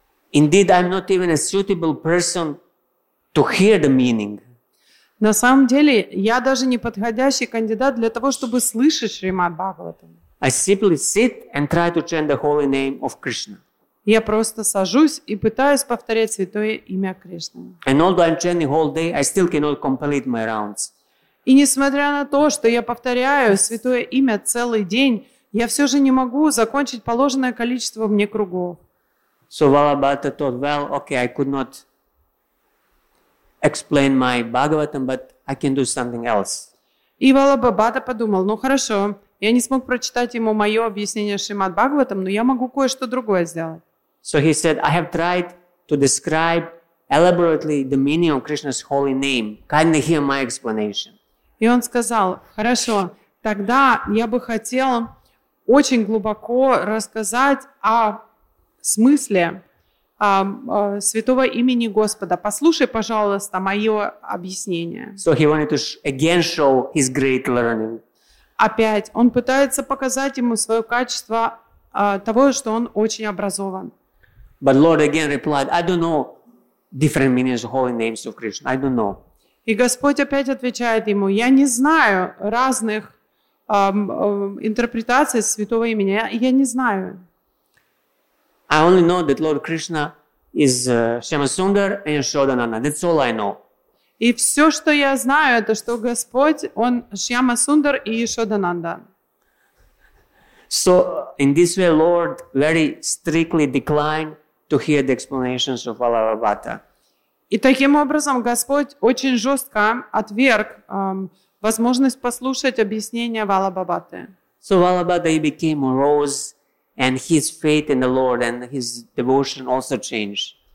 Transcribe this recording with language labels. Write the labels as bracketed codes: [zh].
[en] Indeed, I'm not even a suitable person to hear the meaning. [ru] На самом деле, я даже не подходящий кандидат для того, чтобы слышать Шримад Бхагаватам. [en] I simply sit and try to chant the holy name of Krishna. [ru] Я просто сажусь и пытаюсь повторять святое имя Кришны. [en] And although I'm chanting all day, I still cannot complete my rounds. [ru] И несмотря на то, что я повторяю святое имя целый день, я все же не могу закончить положенное количество мне кругов. [en] So Valabhata thought, well, okay, I could not explain my Bhagavatam, but I can do something else. [ru] И Валабхабхата подумал, ну хорошо, я не смог прочитать ему мое объяснение Шримад Бхагаватам, но я могу кое-что другое сделать. [en] So he said, I have tried to describe elaborately the meaning of Krishna's holy name. Kindly hear my explanation. [ru] И он сказал, хорошо, тогда я бы хотел очень глубоко рассказать о смысле святого имени Господа. Послушай, пожалуйста, мое объяснение. [en] So he wanted to again show his great learning. [ru] Опять он пытается показать ему свое качество того, что он очень образован. [en] But Lord again replied, I don't know different meanings of holy names of Krishna. I don't know. [ru] И Господь опять отвечает ему, я не знаю разных интерпретации святого имени. Я не знаю. [en] I only know that Lord Krishna is Shyamasundar and Yashodanana. That's all I know. [ru] И все, что я знаю, это что Господь, он Shyamasundar и Yashodananda. [en] So in this way, Lord very strictly declined to hear the explanations of Valabhata. [ru] И таким образом Господь очень жестко отверг возможность послушать объяснение Валабхабхаты. [en] So Valabhata he became morose, and his faith in the Lord and his devotion also changed.